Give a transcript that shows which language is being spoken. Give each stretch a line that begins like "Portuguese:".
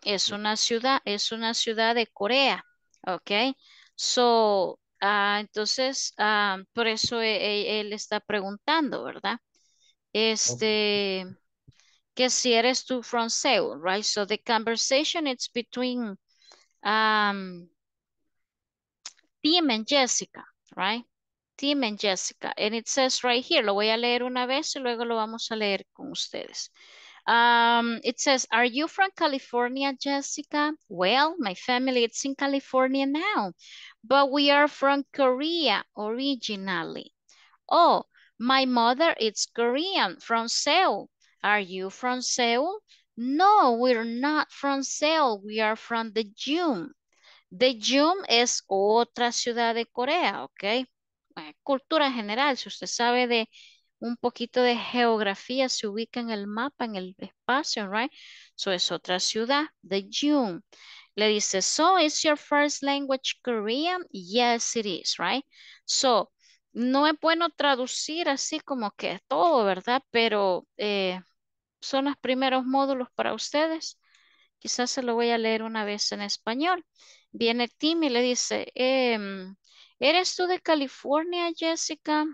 Spanish: Es una ciudad de Corea, ok, so, entonces, por eso él está preguntando, ¿verdad? Este, que si eres tú
English: from Seoul, right? So the conversation is between Tim and Jessica, right? Tim and Jessica. And it says right here,
Spanish: lo voy a leer una vez y luego lo vamos a leer con ustedes.
English: It says, are you from California, Jessica? Well, my family is in California now, but we are from Korea originally. Oh, my mother is Korean from Seoul. Are you from Seoul? No, we're not from Seoul. We are from Daejeon.
Spanish: Daejeon es otra ciudad de Corea, ¿ok? Cultura general, si usted sabe de un poquito de geografía, se ubica en el mapa, en el espacio, right? So, es otra ciudad, Daejeon. Le dice,
English: so, is your first language Korean? Yes, it is, right?
Spanish: So, no es bueno traducir así como que todo, ¿verdad? Pero son los primeros módulos para ustedes. Quizás se lo voy a leer una vez en español. Viene Tim y le dice, ¿eres tú de California, Jessica?